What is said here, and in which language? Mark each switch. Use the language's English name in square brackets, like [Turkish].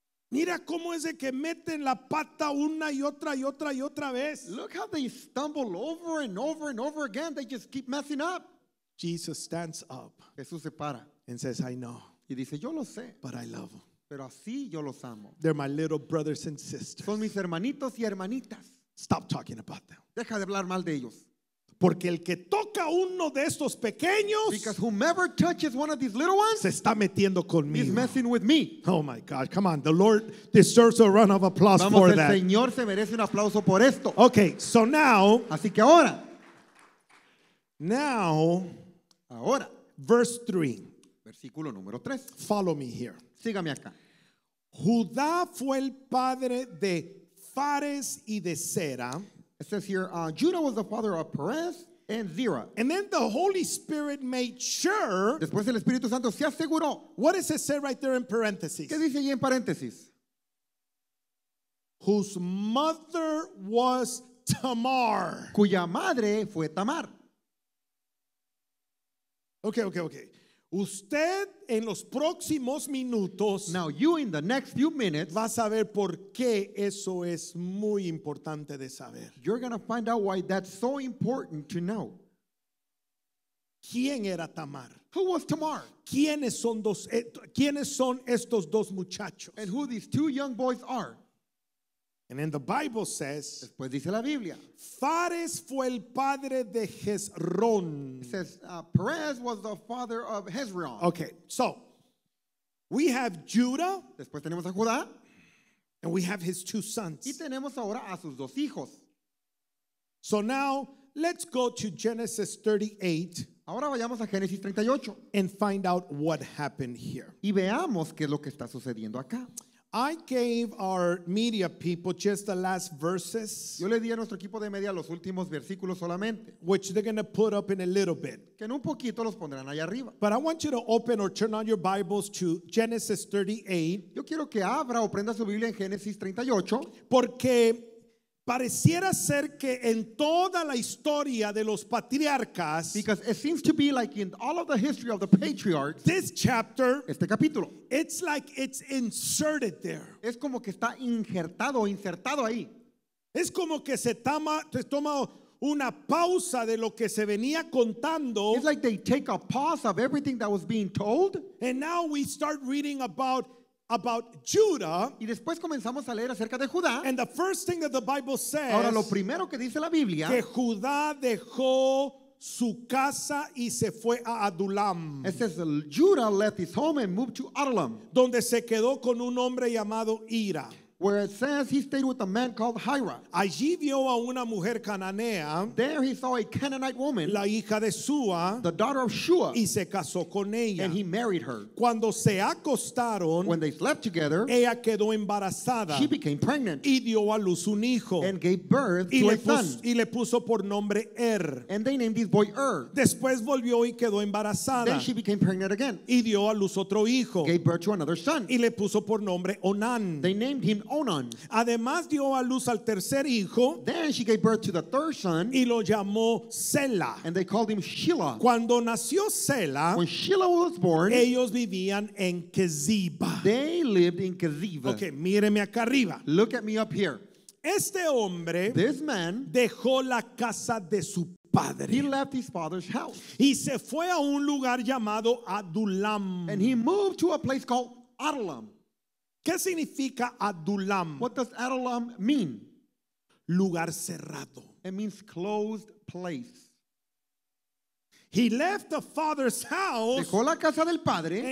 [Spanish] Mira cómo es de que meten la pata una y otra y otra y otra vez. [English] Look how they stumble over and over and over again. They just keep messing up. Jesus stands up. [Spanish] Jesús se para. [English] And says, I know. [Spanish] Y dice, yo lo sé. [English] But I love them. [Spanish] Pero así yo los amo. [English] They're my little brothers and sisters. [Spanish] Son mis hermanitos y hermanitas. [English] Stop talking about them. [Spanish] Deja de hablar mal de ellos. Porque el que toca uno de estos pequeños, [English] because whomever touches one of these little ones, [Spanish] se está metiendo conmigo. [English] He's messing with me. Oh my God, come on. The Lord deserves a round of applause. [Spanish] Vamos, [English] for [Spanish] el [English] that. [Spanish] Señor se merece un aplauso por esto. [English] Okay, so now, [Spanish] así que ahora, [English] now, [Spanish] ahora, [English] verse 3. [Spanish] Versículo número 3. [English] Follow me here. [Spanish] Sígame acá. Judá fue el padre de Fares y de Sera. [English] It says here, Judah was the father of Perez and Zerah. And then the Holy Spirit made sure. [Spanish] Después el Espíritu Santo se aseguró. [English] What does it say right there in parentheses? [Spanish] ¿Qué dice ahí en paréntesis? [English] Whose mother was Tamar. [Spanish] Cuya madre fue Tamar. Okay. Usted en los próximos minutos, [English] now you in the next few minutes, [Spanish] va a saber por qué eso es muy importante de saber. [English] You're going to find out why that's so important to know. [Spanish] ¿Quién era Tamar? [English] Who was Tamar? [Spanish] ¿Quiénes son estos dos muchachos? [English] And who these two young boys are. And then the Bible says, [Spanish] después dice la Biblia, Fares fue el padre de Hezrón. [English] It says, Perez was the father of Hezrón. Okay, so, we have Judah. [Spanish] Después tenemos a Judá. [English] And we have his two sons. [Spanish] Y tenemos ahora a sus dos hijos. [English] So now, let's go to Genesis 38. [Spanish] Ahora vayamos a Génesis 38. [English] And find out what happened here. [Spanish] Y veamos qué es lo que está sucediendo acá. [English] I gave our media people just the last verses. [Spanish] Yo le di a nuestro equipo de media los últimos versículos solamente. [English] Which they're going to put up in a little bit. [Spanish] Que en un poquito los pondrán allá arriba. [English] But I want you to open or turn on your Bibles to Genesis 38. [Spanish] Yo quiero que abra o prenda su Biblia en Génesis 38. Porque pareciera ser que en toda la historia de los patriarcas, [English] because it seems to be like in all of the history of the patriarchs, this chapter, [Spanish] este capítulo, [English] it's like it's inserted there. [Spanish] Es como que está injertado o insertado ahí. Es como que se toma una pausa de lo que se venía contando. [English] It's like they take a pause of everything that was being told. And now we start reading about Judah. [Spanish] Y después comenzamos a leer acerca de Judá. [English] And the first thing that the Bible says, [Spanish] ahora lo primero que dice la Biblia, que Judá dejó su casa y se fue a Adulam. [English] It says Judah left his home and moved to Adulam, [Spanish] donde se quedó con un hombre llamado Ira. [English] Where it says he stayed with a man called Hira. [Spanish] Allí vio a una mujer cananea. [English] There he saw a Canaanite woman, [Spanish] la hija de Sua, [English] the daughter of Shua, [Spanish] y se casó con ella. [English] And he married her. [Spanish] Cuando se acostaron, [English] when they slept together, [Spanish] ella quedó embarazada. [English] She became pregnant. [Spanish] Y dio a luz un hijo. [English] And gave birth [Spanish] y [English] to [Spanish] le [English] a son. [Spanish] Y le puso por nombre Er. [English] And they named his boy Er. [Spanish] Después volvió y quedó embarazada. [English] Then she became pregnant again. [Spanish] Y dio a luz otro hijo. [English] Gave birth to another son. [Spanish] Y le puso por nombre Onan. [English] They named him Onan. [Spanish] Además dio a luz al tercer hijo. [English] Then she gave birth to the third son. [Spanish] Y lo llamó Sela. [English] And they called him Shelah. [Spanish] Cuando nació Sela, [English] when Shelah was born, [Spanish] ellos vivían en Keziba. [English] They lived in Keziba. [Spanish] Okay, míreme acá arriba. [English] Look at me up here. [Spanish] Este hombre, [English] this man, [Spanish] dejó la casa de su padre. [English] He left his father's house. [Spanish] Y se fue a un lugar llamado Adulam. [English] And he moved to a place called Adulam. [Spanish] ¿Qué significa Adulam? [English] What does Adulam mean? [Spanish] Lugar cerrado. [English] It means closed place. He left the father's house. [Spanish] Dejó la casa del padre.